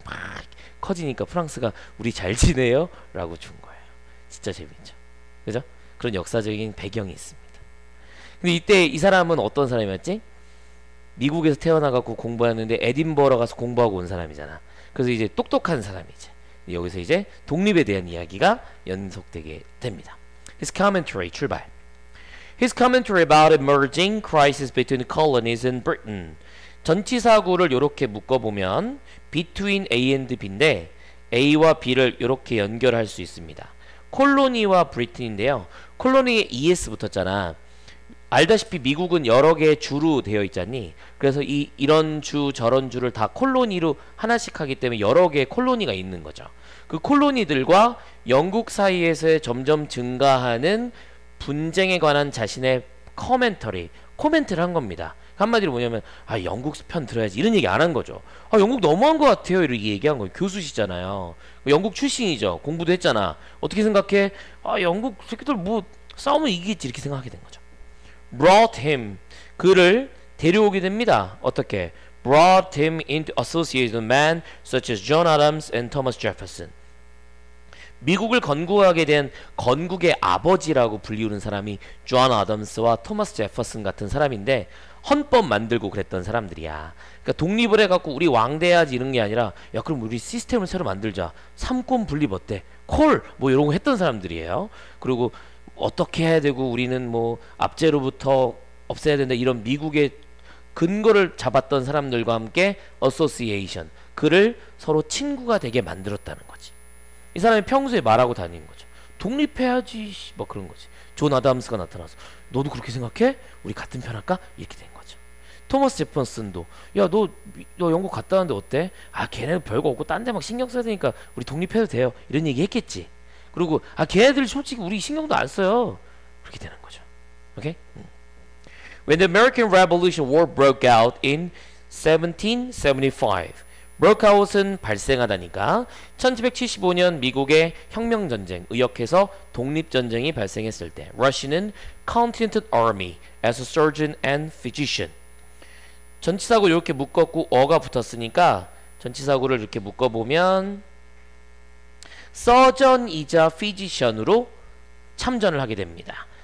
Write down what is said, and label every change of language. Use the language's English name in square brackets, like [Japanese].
[Korean] 막 커지니까 프랑스가 우리 잘 지내요 라고 준 거예요. 진짜 재밌죠. 그죠? 그런 역사적인 배경이 있습니다. 근데 이때 이 사람은 어떤 사람이었지? 미국에서 태어나갖고 공부했는데 에딘버러 가서 공부하고 온 사람이잖아. 그래서 이제 똑똑한 사람이지. 여기서 이제 독립에 대한 이야기가 연속되게 됩니다. [English] His commentary, 출발. His commentary about emerging crisis between colonies and Britain. [Korean] 전치사구를 이렇게 묶어보면 between A and B인데 A와 B를 이렇게 연결할 수 있습니다. 콜로니와 브리튼인데요. 콜로니에 ES 붙었잖아. 알다시피 미국은 여러 개의 주로 되어 있잖니. 그래서 이런 주, 저런 주를 다 콜로니로 하나씩 하기 때문에 여러 개의 콜로니가 있는 거죠. 그 콜로니들과 영국 사이에서의 점점 증가하는 분쟁에 관한 자신의 커멘터리, 코멘트를 한 겁니다. 한마디로 뭐냐면 영국 편 들어야지 이런 얘기 안한 거죠. 영국 너무한 것 같아요 이렇게 얘기한 거예요. 교수시잖아요. 영국 출신이죠. 공부도 했잖아. 어떻게 생각해? 영국 새끼들 뭐 싸우면 이기겠지 이렇게 생각하게 된 거죠. [English] Brought him, [Korean] 그를 데려오게 됩니다. 어떻게? [English] Brought him into associated men such as John Adams and Thomas Jefferson. [Korean] 미국을 건국하게 된 건국의 아버지라고 불리우는 사람이 존 아담스와 토마스 제퍼슨 같은 사람인데 헌법 만들고 그랬던 사람들이야. 그러니까 독립을 해갖고 우리 왕 돼야지 이런 게 아니라 야 그럼 우리 시스템을 새로 만들자. 삼권 분립 어때? 콜! 뭐 이런 거 했던 사람들이에요. 그리고 어떻게 해야 되고 우리는 뭐 압제로부터 없애야 된다 이런 미국의 근거를 잡았던 사람들과 함께 어소시에이션, 그를 서로 친구가 되게 만들었다는 거지. 이 사람이 평소에 말하고 다니는 거죠. 독립해야지, 뭐 그런 거지. 존 아담스가 나타나서 너도 그렇게 생각해? 우리 같은 편 할까? 이렇게 된 거죠. 토머스 제퍼슨도 야 너 너 영국 갔다 왔는데 어때? 아 걔네 별거 없고 딴 데 막 신경 써야 되니까 우리 독립해도 돼요 이런 얘기 했겠지. 그리고 아 걔네들 솔직히 우리 신경도 안 써요 그렇게 되는 거죠. 오케이? [English] When the American Revolution War broke out in 1775 broke out은 [Korean] 발생하다니까 1775년 미국의 혁명전쟁 의역해서 독립전쟁이 발생했을 때 Russian은 [English] Continental Army as a surgeon and physician [Korean] 전치사구 이렇게 묶었고 어가 붙었으니까 전치사구를 이렇게 묶어보면 서전이자 피지션으로 참전을 하게 됩니다.